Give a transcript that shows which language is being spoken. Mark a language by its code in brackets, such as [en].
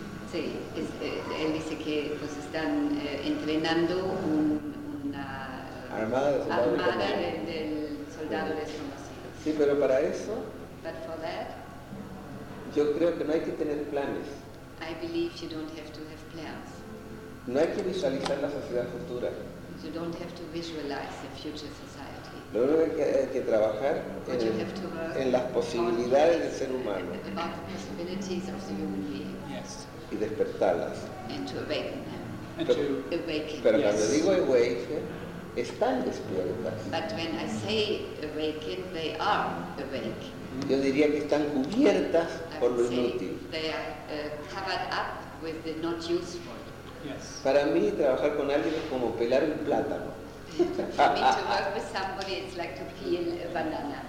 [es] Sí, él dice que pues están entrenando una armada del soldado desconocido. Sí, pero para eso. [en] But for that. [es] Yo creo que no hay que tener planes. [en] I believe you don't have to have plans. [es] No hay que visualizar la sociedad futura. [en] You don't have to visualize the future society. [es] Lo único que hay que trabajar en las posibilidades del ser humano. [en] About the possibilities of the human being. Yes. [es] Y despertarlas. [en] And to awaken them. [es] Pero cuando digo awaken, están despiertas. [en] But when I say awaken, they are awake. [es] Yo diría que están cubiertas por lo inútil. [en] They are covered up with the not useful. Yes. [es] Para mí trabajar con alguien es como pelar un plátano. [en] For me to work with somebody it's like to peel a banana.